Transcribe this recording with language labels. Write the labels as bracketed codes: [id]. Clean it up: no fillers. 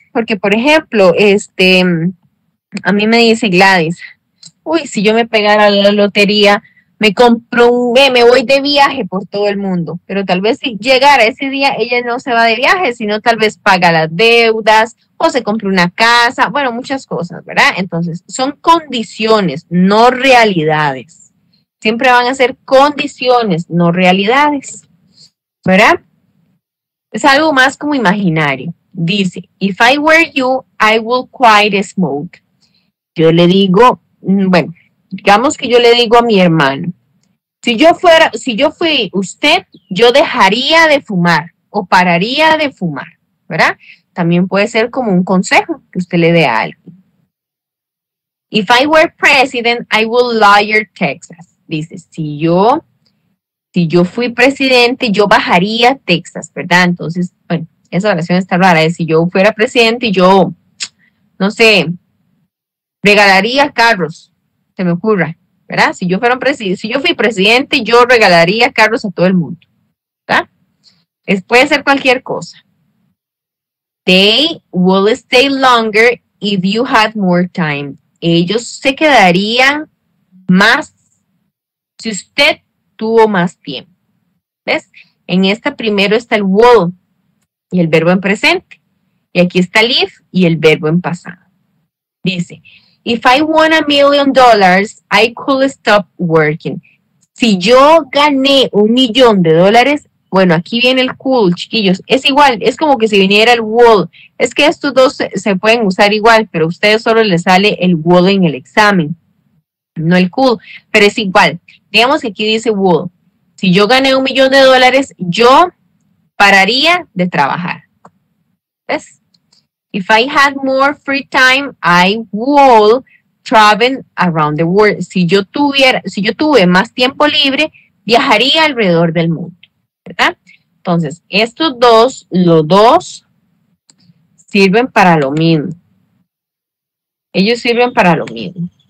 [es] Porque, por ejemplo, a mí me dice Gladys, uy, si yo me pegara la lotería, me compro un me voy de viaje por todo el mundo, pero tal vez si llegara ese día, ella no se va de viaje, sino tal vez paga las deudas, o se compre una casa, bueno, muchas cosas, ¿verdad? Entonces, son condiciones, no realidades. Siempre van a ser condiciones, no realidades, ¿verdad? Es algo más como imaginario. Dice, [en] if I were you, I would quit smoke. [es] Yo le digo, bueno, digamos que yo le digo a mi hermano, si yo fui usted, yo dejaría de fumar o pararía de fumar, ¿verdad? También puede ser como un consejo que usted le dé a alguien. [en] If I were president, I would lawyer Texas. [es] Dice, si yo fui presidente, yo bajaría Texas, ¿verdad? Entonces, bueno, esa oración está rara. Si yo fuera presidente, yo, no sé, regalaría carros, se me ocurra, ¿verdad? Si yo fui presidente, yo regalaría carros a todo el mundo, ¿verdad? Puede ser cualquier cosa. [en] They will stay longer if you had more time. [es] Ellos se quedarían más si usted tuvo más tiempo. ¿Ves? En esta primero está el will y el verbo en presente. Y aquí está el if y el verbo en pasado. Dice, [en] if I won $1,000,000, I could stop working. [es] Si yo gané $1,000,000, bueno, aquí viene el cool, chiquillos. Es igual, es como que si viniera el will. Es que estos dos se pueden usar igual, pero a ustedes solo les sale el will en el examen, no el cool. Pero es igual. Digamos que aquí dice will. Si yo gané $1,000,000, yo pararía de trabajar. ¿Ves? [en] If I had more free time, I would travel around the world. [es] Si yo tuve más tiempo libre, viajaría alrededor del mundo. ¿Verdad? Entonces, estos dos, los dos, sirven para lo mismo. Ellos sirven para lo mismo.